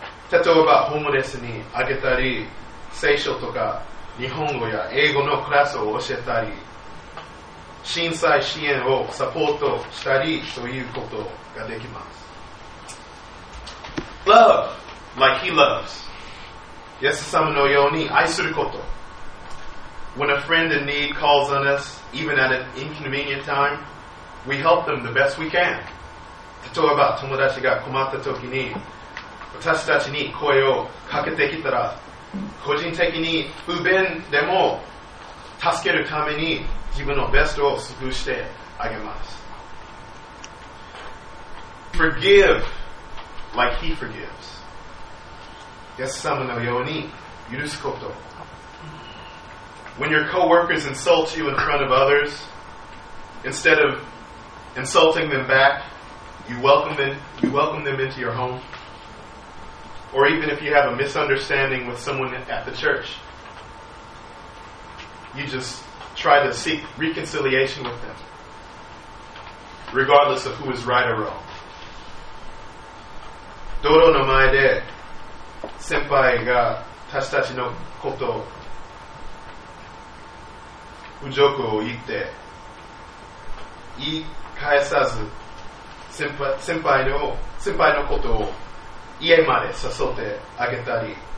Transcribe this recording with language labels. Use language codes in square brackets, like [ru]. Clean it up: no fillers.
[ja] 例えば、ホームレスにあげたり、聖書とか日本語や英語のクラスを教えたり、震災支援をサポートしたりということができます。 [en] Love, like he loves. [ja] イエス様のように愛すること。 [en] When a friend in need calls on us, even at an inconvenient time, we help them the best we can. [ja] 例えば、友達が困ったときに、私たちに声をかけてきたら、個人的に不便でも助けるために自分のベストを尽くしてあげます。 [en] Forgive like he forgives. [ja] イエス様のように許すこと。 [en] When your co-workers insult you in front of others, instead of insulting them back, you welcome them into your home. Or even if you have a misunderstanding with someone at the church, you just try to seek reconciliation with them, regardless of who is right or wrong. [ja] 道路の前で先輩が私たちのこと、侮辱を言って、言い返さず先輩のことを家まで誘ってあげたり、